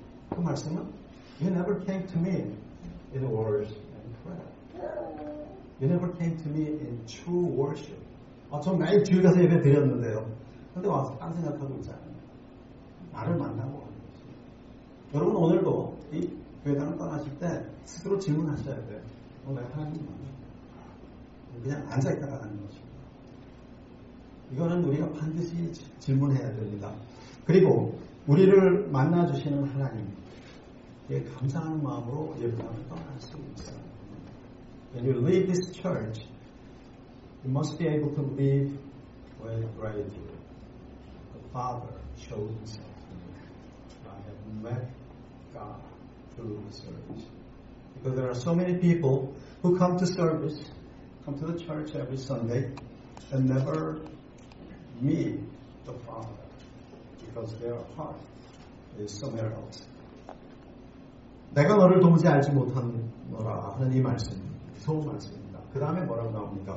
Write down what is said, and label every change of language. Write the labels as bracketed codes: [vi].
[ko] 그 말씀은 [en] You never came to me in words and prayer. You never came to me in true worship. [ko] 아, 전 매일 교회 가서 예배 드렸는데요. 근데 와서 딴 생각하고 있잖아요. 나를 만나고 오는 거지. 여러분, 오늘도 이 교회당을 떠나실 때 스스로 질문하셔야 돼요. 어, 내가 하나님 만나. 그냥 앉아있다가 가는 것입니다. 이거는 우리가 반드시 질문해야 됩니다. 그리고 우리를 만나주시는 하나님께 감사하는 마음으로 예배당을 떠날 수 있어요. [en] When you leave this church, you must be able to live with gratitude. The Father chose himself to me. I have met God through the service. Because there are so many people who come to service, come to the church every Sunday, and never meet the Father because their heart is somewhere else. [ko] 내가 너를 도무지 알지 못한 너라 하는 이 말씀. 소원 말씀입니다. 그 다음에 뭐라고 나옵니까?